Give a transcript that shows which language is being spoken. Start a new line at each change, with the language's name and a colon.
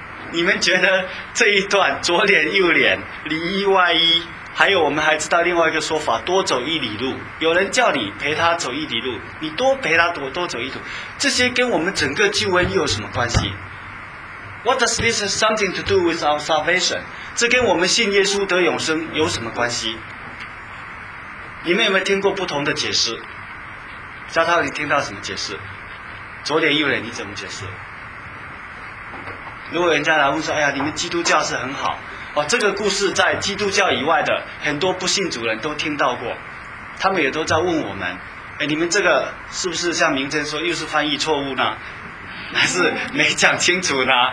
Chinese: 你们觉得这一段左脸右脸里衣外衣，还有我们还知道另外一个说法，多走一里路，有人叫你陪他走一里路，你多陪他多走一路，这些跟我们整个救恩有什么关系？
English: What does this have something to do with our salvation？
Chinese: 这跟我们信耶稣得永生有什么关系？你们有没有听过不同的解释？嘉涛，你听到什么解释？左脸右脸你怎么解释？如果人家来问说，哎呀，你们基督教是很好哦，这个故事在基督教以外的很多不信主人都听到过，他们也都在问我们，哎，你们这个是不是像明真说又是翻译错误呢，还是没讲清楚呢？